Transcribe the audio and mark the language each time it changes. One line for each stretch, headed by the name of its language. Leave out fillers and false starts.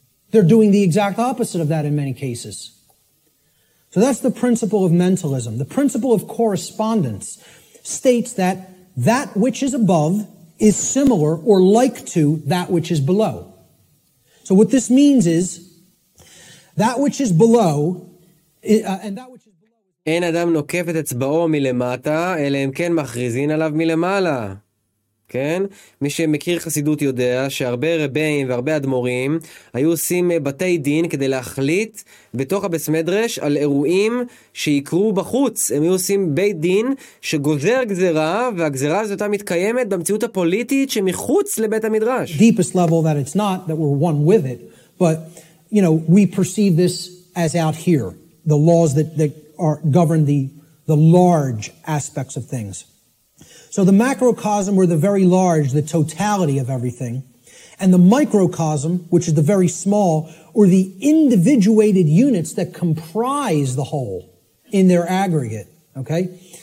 English: They're doing the exact opposite of that in many cases. So that's the principle of mentalism. The principle of correspondence states that that which is above is similar or like to that which is below. So what this means is that which is below and that which is below.
Hebrew: אין אדם נוקף את אצבעו מלמטה אלא אם כן מכריזין עליו מלמעלה.
English: כן?
Hebrew: מי שמכיר חסידות יודע שהרבה רבים והרבה אדמורים היו עושים בתי דין כדי להחליט בתוך הבית מדרש על אירועים שיקרו בחוץ. הם היו עושים בית דין שגוזר גזרה, והגזרה הזאת מתקיימת במציאות הפוליטית שמחוץ לבית המדרש.
English: Deepest level that it's not that we're one with it, but you know, we perceive this as out here, the laws that are govern the large aspects of things. So the macrocosm were the very large, the totality of everything, and the microcosm, which is the very small, were the individuated units that comprise the whole in their aggregate, okay?